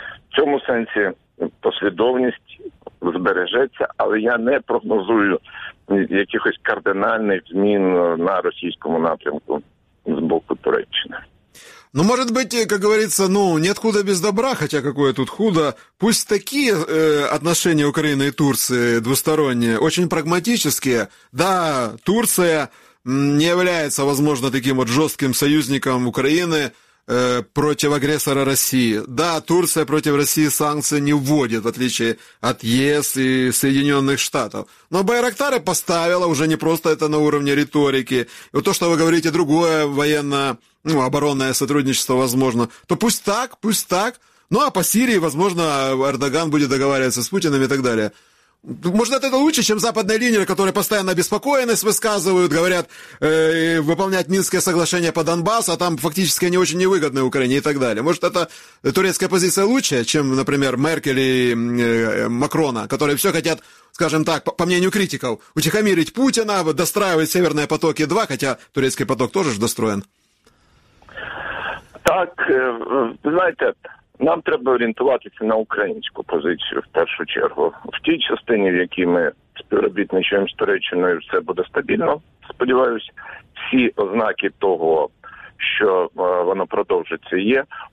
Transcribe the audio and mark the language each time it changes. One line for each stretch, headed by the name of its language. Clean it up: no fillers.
Ukrainian: В цьому сенсі послідовність збережеться, але я не прогнозую якихось кардинальних змін на російському напрямку з боку Туреччини.
Russian: Ну, может быть, как говорится, ну, нет худа без добра, хотя какое тут худо. Пусть такие отношения Украины и Турции двусторонние, очень прагматические. Да, Турция не является, возможно, таким вот жестким союзником Украины против агрессора России. Да, Турция против России санкции не вводит, в отличие от ЕС и Соединенных Штатов. Но Байрактары поставила уже не просто это на уровне риторики. И вот то, что вы говорите, другое военное, ну, оборонное сотрудничество возможно, то пусть так, пусть так. Ну, а по Сирии, возможно, Эрдоган будет договариваться с Путиным и так далее. Может, это лучше, чем западные лидеры, которые постоянно обеспокоенность высказывают, говорят, выполнять Минское соглашение по Донбассу, а там фактически они очень невыгодны Украине и так далее. Может, это турецкая позиция лучше, чем, например, Меркель и Макрона, которые все хотят, скажем так, по мнению критиков, утихомирить Путина, достраивать Северные потоки-2, хотя турецкий поток тоже же достроен.
Ukrainian: Так, знаєте, нам треба орієнтуватися на українську позицію в першу чергу. В тій частині, в якій ми співробітничаємо з Туреччиною, все буде стабільно, сподіваюся. Всі ознаки того, що воно продовжиться, є.